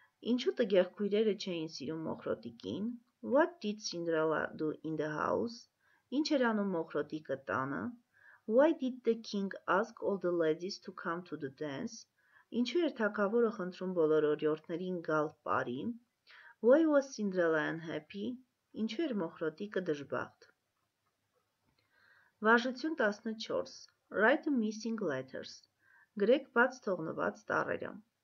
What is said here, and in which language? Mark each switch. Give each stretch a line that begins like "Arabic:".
Armenian: Ինչու տգեղ քույրերը չէին սիրում մոխրոտիկին?
English: What did Cinderella do in the house?
Armenian: Ինչ էր անում մոխրոտիկը տանը?
English: Why did the king ask all the ladies to come to the dance?
Armenian: Ինչու էր թագավորը խնդրում բոլոր օրիորդներին գալ պարի?
English: Why was Cinderella unhappy?
Armenian: Ինչու էր մոխրոտիկը դժբախտ?
English: Վարժություն 14. Write the missing letters.
Armenian: Գրեք բաց թողնված տառերը.